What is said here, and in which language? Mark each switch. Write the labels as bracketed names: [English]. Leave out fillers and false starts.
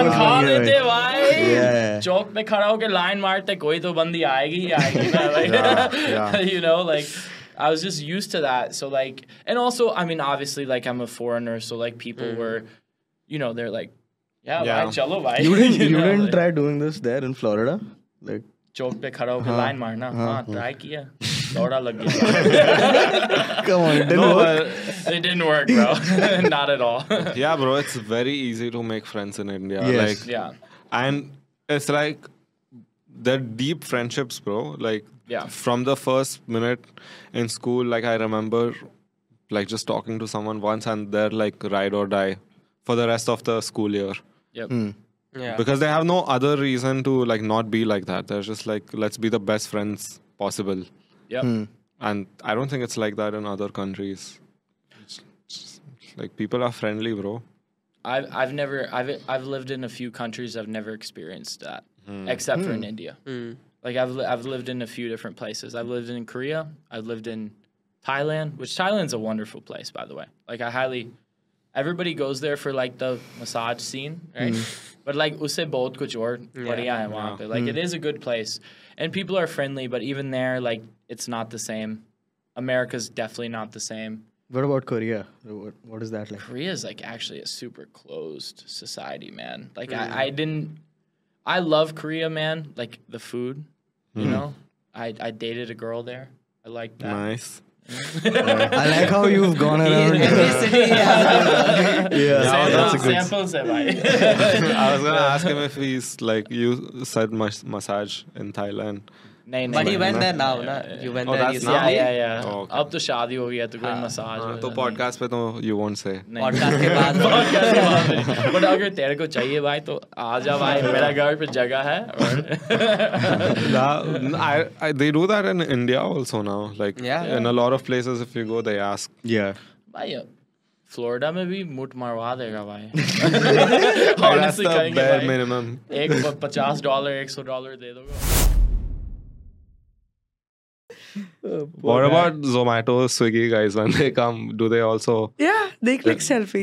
[Hindi] खा लेते भाई चौक पे खड़ा होकर लाइन मारते कोई तो बंदी आएगी ही आएगी [English] you know like I was just used to that so like and also I mean obviously like I'm a foreigner so like people were you know they're like yeah [Hindi] भाई चलो भाई [English] you didn't like, try doing this there in Florida like [Hindi] चोक पे खड़ा होके line मारना try किया डोरा लग गया [English] come on it didn't work bro not at all yeah bro it's very easy to make friends in India like yeah and it's like they're deep friendships bro like Yeah. From the first minute in school, like I remember, like just talking to someone once, and they're like ride or die for the rest of the school year. Yep. Mm. Yeah. Because they have no other reason to like not be like that. They're just like, let's be the best friends possible. Yep. Mm. And I don't think it's like that in other countries. It's like people are friendly, bro. I've lived in a few countries. I've never experienced that except for in India. Mm. Like I've lived in a few different places. I've lived in Korea. I've lived in Thailand, which Thailand's a wonderful place, by the way. Like everybody goes there for like the massage scene, right? But like [Hindi] उससे बहुत कुछ और बढ़िया है वहाँ पे. [English] Like it is a good place, and people are friendly. But even there, like it's not the same. America's definitely not the same. What about Korea? What is that like? Korea is like actually a super closed society, man. Like I didn't. I love Korea, man. Like the food, you know. I dated a girl there. I like that. Nice. I like how you've gone around. Yeah, yeah. Yeah. That's a good sample. I was gonna ask him if he's like you said massage in Thailand. [Hindi] नहीं नहीं [English] but he went there now na you went there [Hindi] येह अब तो शादी हो गई है तो कोई massage to podcast pe to [English] you won't say [Hindi] podcast ke baad podcast के बाद बट अगर तेरे को चाहिए भाई तो आ जा भाई मेरा घर पे जगह है [English] I they do that in India also now like in a lot of places if you go they ask [Hindi] भाई फ्लोरिडा में भी मूत मरवा देगा भाई [English] that's the bare minimum [Hindi] एक $50 $100 दे दोगे [English] What about Zomato, Swiggy guys when they come? Do they also? Yeah, they click selfies.